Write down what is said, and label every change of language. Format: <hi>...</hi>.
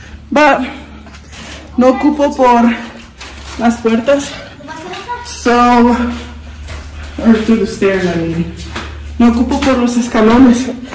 <es>But no ocupo por las puertas.</es> <en>So, or through the stairs, I mean.</en> <es>No ocupo por los escalones.</es>